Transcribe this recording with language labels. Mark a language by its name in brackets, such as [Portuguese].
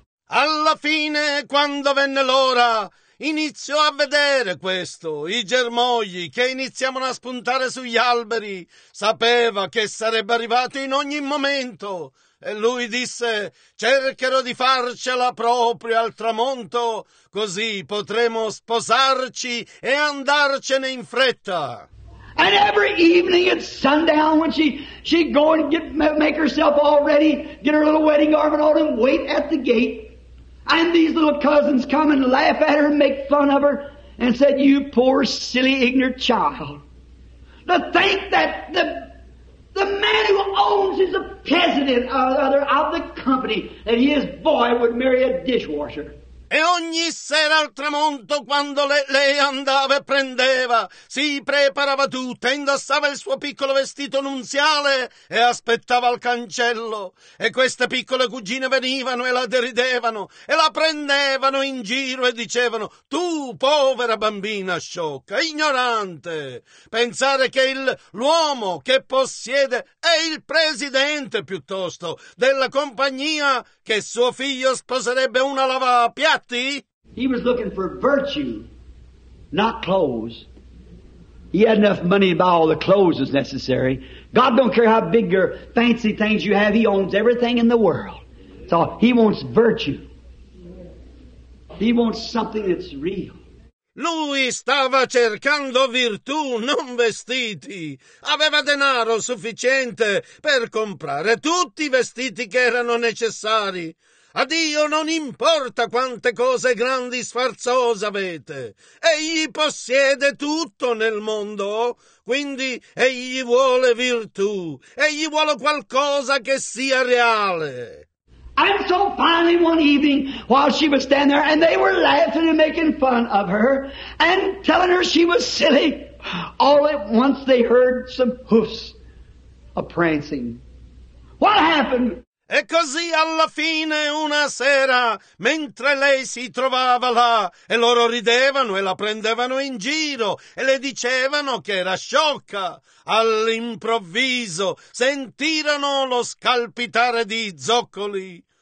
[Italian] Alla fine, quando venne l'ora, Inizio a vedere questo, i germogli che iniziavano a spuntare sugli alberi. Sapeva che sarebbe arrivato in ogni momento. E lui disse, cercherò di farcela proprio al tramonto, così potremo sposarci e andarcene in fretta. [English] And every evening at sundown when she'd go and make herself all ready, get her little wedding garment on and wait at the gate. And these little cousins come and laugh at her and make fun of her and said, you poor, silly, ignorant child. To think that the man who owns is a president of the company and his boy would marry a dishwasher. [Italian] E ogni sera al tramonto, quando lei andava e prendeva, si preparava tutta, indossava il suo piccolo vestito nuziale e aspettava al cancello. E queste piccole cugine venivano e la deridevano e la prendevano in giro e dicevano, tu, povera bambina sciocca, ignorante, pensare che l'uomo che possiede è il presidente, piuttosto, della compagnia che suo figlio sposerebbe una lavapiatti. [English] He was looking for virtue, not clothes. He had enough money to buy all the clothes that's necessary. God don't care how big or fancy things you have. He owns everything in the world. So he wants virtue. He wants something that's real. [Italian] Lui stava cercando virtù, non vestiti. Aveva denaro sufficiente per comprare tutti i vestiti che erano necessari. A Dio non importa quante cose grandi sfarzose avete. Egli possiede tutto nel mondo. Quindi egli vuole virtù. Egli vuole qualcosa che sia reale. [English] And so finally one evening while she was standing there and they were laughing and making fun of her and telling her she was silly, all at once they heard some hoofs a-prancing. What happened? [Italian] E così alla fine una sera, mentre lei si trovava là, e loro ridevano e la prendevano in giro, e le dicevano che era sciocca, all'improvviso sentirono lo scalpitare di zoccoli.